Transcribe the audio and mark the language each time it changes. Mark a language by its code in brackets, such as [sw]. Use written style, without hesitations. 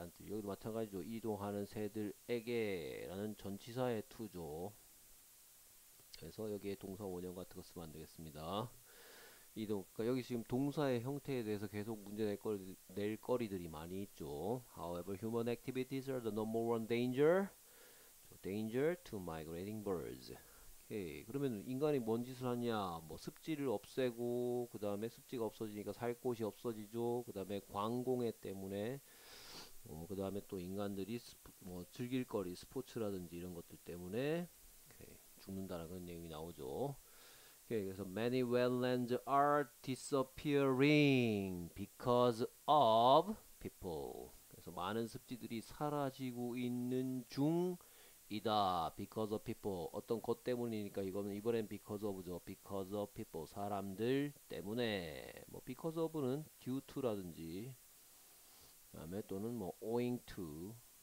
[ko] 여기도 마찬가지죠. 이동하는 새들에게라는 전치사의 to죠. 그래서 여기에 동사 원형 같은 거 쓰면 안 되겠습니다. 이동, 그러니까 여기 지금 동사의 형태에 대해서 계속 문제 낼 거리들이 많이 있죠. [en] However, human activities are the number one danger. Danger to migrating birds. 오케이. [ko] 그러면 인간이 뭔 짓을 하냐? 뭐 습지를 없애고, 그 다음에 습지가 없어지니까 살 곳이 없어지죠. 그 다음에 광공해 때문에. 그 다음에 또 인간들이 뭐 즐길 거리, 스포츠라든지 이런 것들 때문에. 죽는다는 그런 내용이 나오죠. [en] 오케이, 그래서 many wetlands are disappearing because of people. [ko] 그래서 많은 습지들이 사라지고 있는 중이다. because of people. 어떤 것 때문이니까 이거는 이번엔 because of죠. [en] because of people. 사람들 때문에. [ko] 뭐 because of는 due to라든지 그다음에 또는 뭐 owing to.